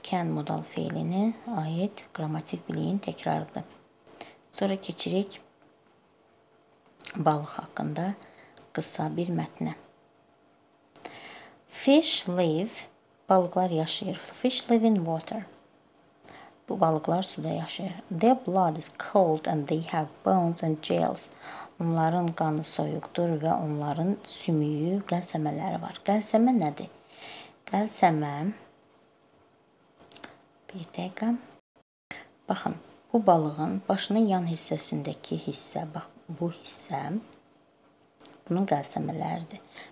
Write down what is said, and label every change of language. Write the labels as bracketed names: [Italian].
[Azerbaijani] Can modal feilini aid qrammatik biliyin təkrarıdır. Sonra keçirik balıq haqqında qısa bir mətnə. [English] Fish live, [Azerbaijani] balıqlar yaşayır. [English] Fish live in water. [Azerbaijani] Bu balıqlar suda yaşayır. [English] Their blood is cold and they have bones and gills. [Azerbaijani] Onların qanı soyuqdur və onların sümüyü, qəlsəmələri var. Qəlsəmə nədir? Qəlsəmə, bir dəqiqə. Baxın, bu balığın başının yan hissəsindəki hissə, bax, bu hissə, bunun qəlsəmələridir.